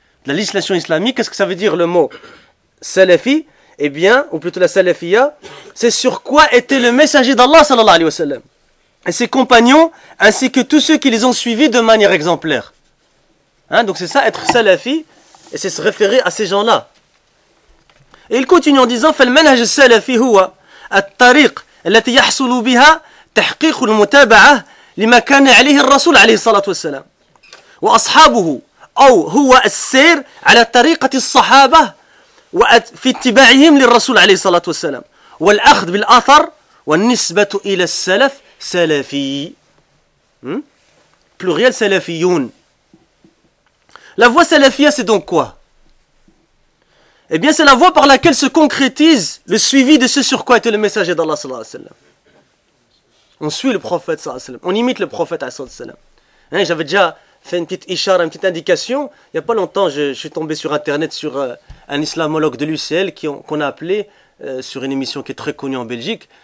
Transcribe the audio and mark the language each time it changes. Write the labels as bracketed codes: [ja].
[fr] De la législation islamique, qu'est-ce que ça veut dire le mot salafi? Eh bien, ou plutôt la salafia, c'est sur quoi était le messager d'Allah, sallallahu alayhi wa sallam, et ses compagnons, ainsi que tous ceux qui les ont suivis de manière exemplaire. Donc c'est ça, être salafi, et c'est se référer à ces gens-là. Et il continue en disant, [ar] fal manhaj salafi huwa at-tariq allati yahsulu biha tahqiq al-mutaba'a لما كان عليه الرسول عليه الصلاة والسلام وأصحابه أو هو السير على طريقة الصحابة في اتباعهم للرسول عليه الصلاة والسلام والأخذ بالأثر والنسبة إلى السلف سلفي بلوريال سلفيون. [fr] La voie salafia, c'est donc quoi? Eh bien, c'est la voie par laquelle se concrétise le suivi de ce sur quoi était le messager d'Allah sallallahu alayhi wa sallam. On suit le prophète, sallallahu alayhi wa sallam. On imite le prophète, sallallahu alayhi wa sallam. J'avais déjà fait une petite ishara, une petite indication. Il n'y a pas longtemps, je suis tombé sur Internet sur un islamologue de l'UCL qu'on a appelé sur une émission qui est très connue en Belgique.